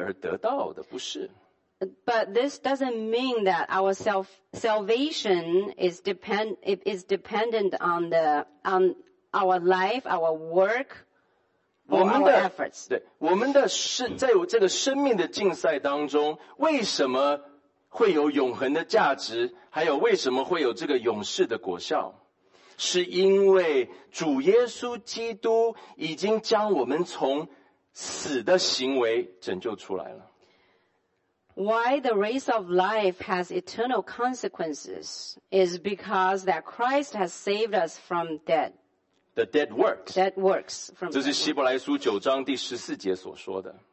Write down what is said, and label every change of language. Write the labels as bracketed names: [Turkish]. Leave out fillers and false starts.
[Chinese] 这个并不是说我们的救恩是要靠我们的生活行为努力而得到的，不是。But [English] this doesn't mean that our salvation is dependent on the our life, our work, or our efforts. [Chinese] 对，我们的是在这个生命的竞赛当中，为什么 会有永恒的价值，还有为什么会有这个永世的果效，是因为主耶稣基督已经将我们从死的行为拯救出来了。Why [English] the race of life has eternal consequences is because that Christ has saved us from death. The dead works. Dead works from. [Chinese] 这是希伯来书9章第14节所说的。